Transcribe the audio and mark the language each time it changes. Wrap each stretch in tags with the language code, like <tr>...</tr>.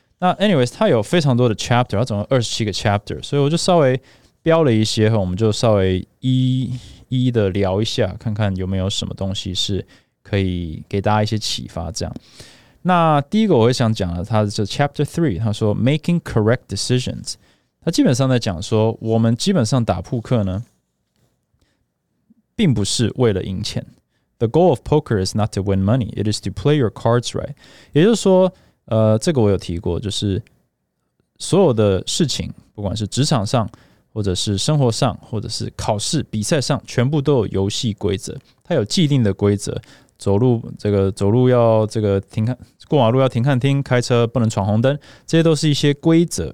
<zh>那 anyways， 它有非常多的 chapter， 它总共27个 chapter， 所以我就稍微标了一些，我们就稍微一的聊一下，看看有没有什么东西是可以给大家一些启发。这样，那第一个我会想讲的，它是 chapter 3， 他说</zh> <en>making correct decisions，</en> <zh>他基本上在讲说，我们基本上打扑克呢，并不是为了赢钱。</zh> <en>The goal of poker is not to win money, it is to play your cards right。</en> <zh>也就是说，这个我有提过，就是所有的事情，不管是职场上，或者是生活上，或者是考试比赛上，全部都有游戏规则，它有既定的规则。走路要这个停看，过马路要停看停，开车不能闯红灯，这些都是一些规则。</zh>